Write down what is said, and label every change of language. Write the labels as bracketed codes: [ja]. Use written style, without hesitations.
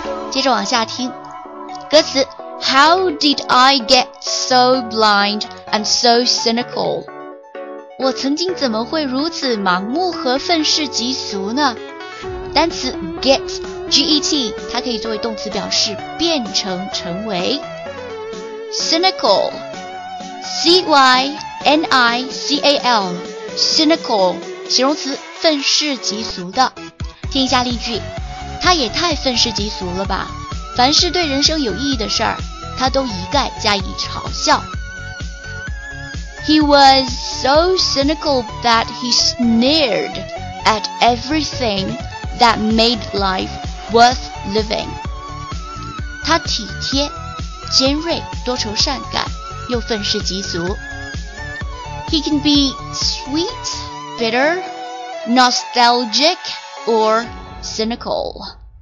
[zh] 接着往下听歌词， [en] How did I get so blind and so cynical? [zh] 我曾经怎么会如此盲目和愤世嫉俗呢？单词 get, G-E-T, 它可以作为动词表示变成、成为。 Cynical, C-Y-N-I-C-A-L, cynical, 形容词愤世嫉俗的。听一下例句，他也太愤世嫉俗了吧，凡是对人生有意义的事儿，他都一概加以嘲笑。 [en] He was so cynical that he sneered at everything that made life worth living。 [zh] 他体贴、尖锐、多愁善感，又愤世嫉俗。 [en] He can be sweet, bitter, nostalgic, or cynical。